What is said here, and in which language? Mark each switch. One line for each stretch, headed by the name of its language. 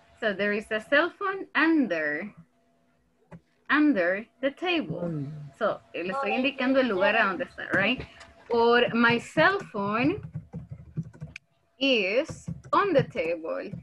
English: So there is a cell phone under the table.
Spanish: So le estoy indicando el lugar a donde está,
English: right? Or my cell phone is on the table.